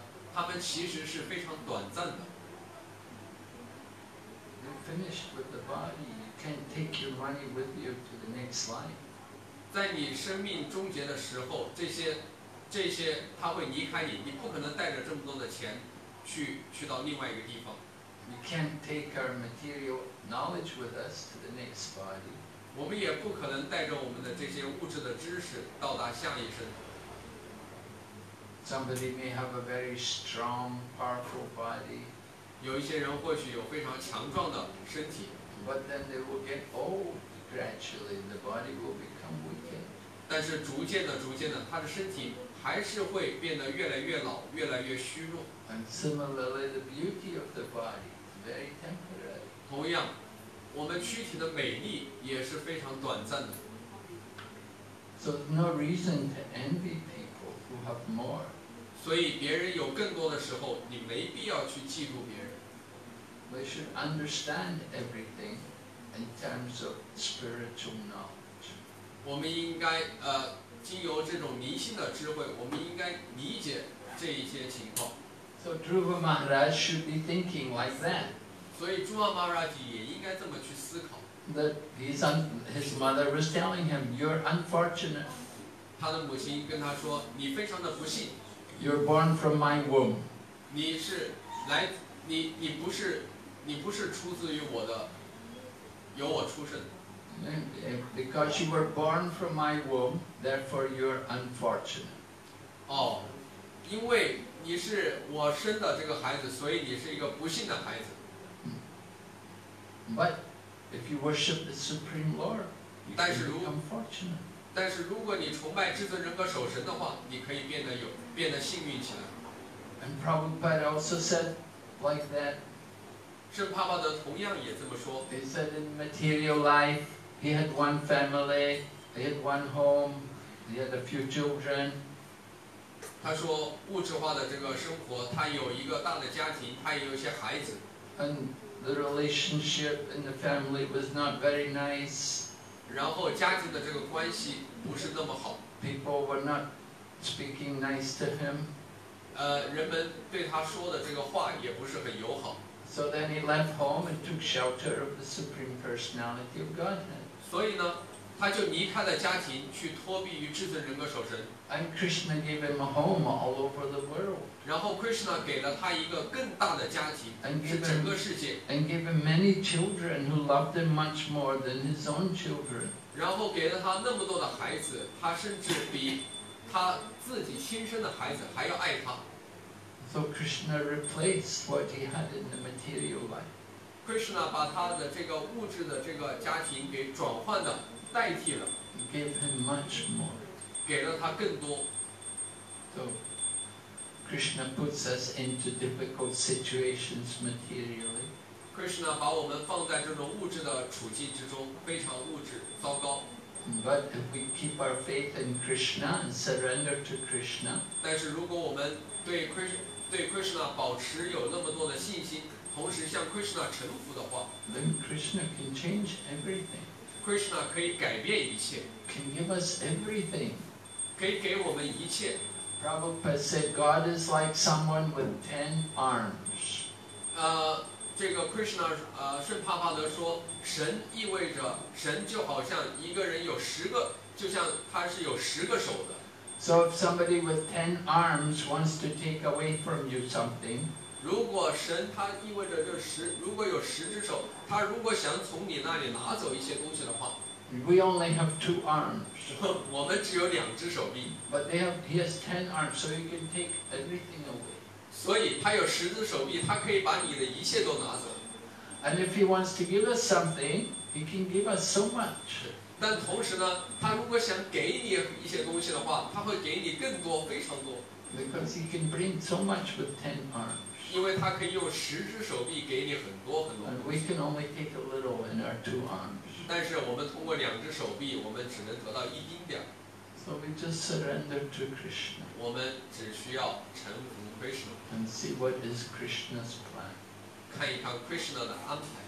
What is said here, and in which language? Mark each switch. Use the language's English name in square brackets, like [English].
[Chinese] 第三个我们也可以想，这些物质的富裕，它们其实是非常短暂的。 [English] You're finished with the body, you can't take your money with you to the next life. [Chinese] 在你生命终结的时候，这些它会离开你，你不可能带着这么多的钱。去到另外一个地方。 [English] We can't take our material knowledge with us to the next body. [Chinese] 我们也不可能带着我们的这些物质的知识到达下一生。 [English] Somebody may have a very strong, powerful body. [Chinese] 有一些人或许有非常强壮的身体。 [English] But then they will get old gradually, the body will become weakened. [Chinese] 但是逐渐的、逐渐的，他的身体还是会变得越来越老、越来越虚弱。 [English] And similarly, the beauty of the body, very temporary. [Chinese] 同样，我们躯体的美丽也是非常短暂的。 [English] So no reason to envy people who have more. [Chinese] 所以别人有更多的时候，你没必要去嫉妒别人。 [English] We should understand everything in terms of spiritual knowledge. [Chinese] 我们应该经由这种明心的智慧，我们应该理解这一些情况。 [English] So Dhruva Maharaj should be thinking like that. [Chinese] 所以朱瓦马拉吉也应该这么去思考。 [English] That his mother was telling him, "You're unfortunate." [Chinese] 他的母亲跟他说，你非常的不幸。 [English] You're born from my womb. [Chinese] 你是来你不是出自于我的，由我出生。 [English] Because you were born from my womb, therefore you're unfortunate. [Chinese] 哦，因为你是我生的这个孩子，所以你是一个不幸的孩子。 [English] But if you worship the Supreme Lord, you can become fortunate. [Chinese] 但是如果你崇拜至尊人格守神的话，你可以变得幸运起来。 [English] And Prabhupada also said like that. [Chinese] 圣帕帕德同样也这么说。 [English] He said in material life, he had one family, he had one home, he had a few children. [Chinese] 他说物质化的这个生活，他有一个大的家庭，他也有一些孩子。 [English] And the relationship in the family was not very nice. [Chinese] 然后家庭的这个关系不是那么好。 [English] People were not speaking nice to him. [Chinese] 人们对他说的这个话也不是很友好。 [English] So then he left home and took shelter of the Supreme Personality of Godhead. [Chinese] 所以呢他就离开了家庭，去托庇于至尊人格守神。 [English] And Krishna gave him a home all over the world. [Chinese] 然后 Krishna 给了他一个更大的家庭， [English] and gave him, [Chinese] 是整个世界。 [English] And gave him many children who loved him much more than his own children. [Chinese] 然后给了他那么多的孩子，他甚至比他自己亲生的孩子还要爱他。 [English] So Krishna replaced what he had in the material life. [Chinese] Krishna 把他的这个物质的这个家庭给转换了。代替了 [English] gave him much more. [Chinese] 给了他更多。 [English] So Krishna puts us into difficult situations materially. [Chinese] Krishna 把我们放在这种物质的处境之中，非常物质糟糕。 [English] But if we keep our faith in Krishna and surrender to Krishna, [Chinese] 但是如果我们对 Krishna 保持有那么多的信心，同时向 Krishna 臣服的话， [English] then Krishna can change everything. [Chinese] Krishna 可以改变一切， [English] can give us everything. [Chinese] 可以给我们一切。 [English] Prabhupada said God is like someone with 10 arms. [Chinese] 这个 Krishna 圣帕帕德说，神意味着神就好像一个人有十个，就像他是有十个手的。 [English] So if somebody with 10 arms wants to take away from you something, [Chinese] 如果神他意味着这十，如果有十只手，他如果想从你那里拿走一些东西的话， [English] We only have two arms. [Chinese] 我们只有两只手臂。 [English] But he has 10 arms, so he can take everything away. [Chinese] 所以他有十只手臂，他可以把你的一切都拿走。 [English] And if he wants to give us something, he can give us so much. [Chinese] 但同时呢，他如果想给你一些东西的话，他会给你更多，非常多。 [English] Because he can bring so much with 10 arms. [Chinese] 因为他可以用十只手臂给你很多很多。 [English] And we can only take a little in our two arms. [Chinese] 但是我们通过两只手臂，我们只能得到一丁点。 [English] So we just surrender to Krishna. [Chinese] 我们只需要臣服 Krishna. [English] And see what is Krishna's plan. [Chinese] 看一看 Krishna 的安排。